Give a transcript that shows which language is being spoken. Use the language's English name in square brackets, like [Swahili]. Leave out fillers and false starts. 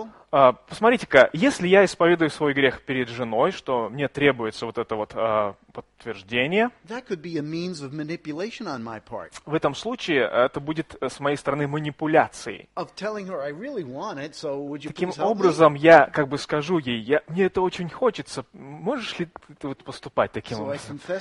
[Russian] Посмотрите-ка, если я исповедую свой грех перед женой, что мне требуется вот это вот подтверждение, [English] that could be a means of manipulation on my part. [Russian] В этом случае это будет с моей стороны манипуляцией. [English] Of telling her I really want it, so would you [Russian] Таким образом я как бы скажу ей, мне это очень хочется, можешь ли ты вот поступать таким образом?